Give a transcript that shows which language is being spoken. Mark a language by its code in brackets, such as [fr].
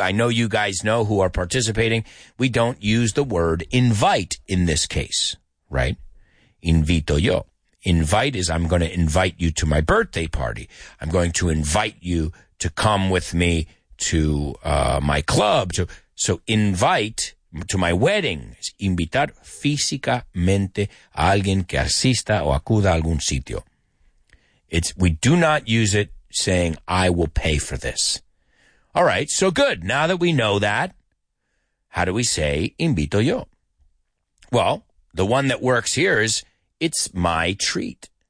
[en] I know you guys know who are participating. We don't use the word invite in this case, right? [es] Invito yo. [en] Invite is I'm going to invite you to my birthday party. I'm going to invite you to come with me to my club. So invite to my wedding. [es] Es invitar físicamente a alguien que asista o acuda a algún sitio. [en] We do not use it saying I will pay for this. All right, so good. Now that we know that, how do we say [es] invito yo? [en] Well, the one that works here is it's my treat.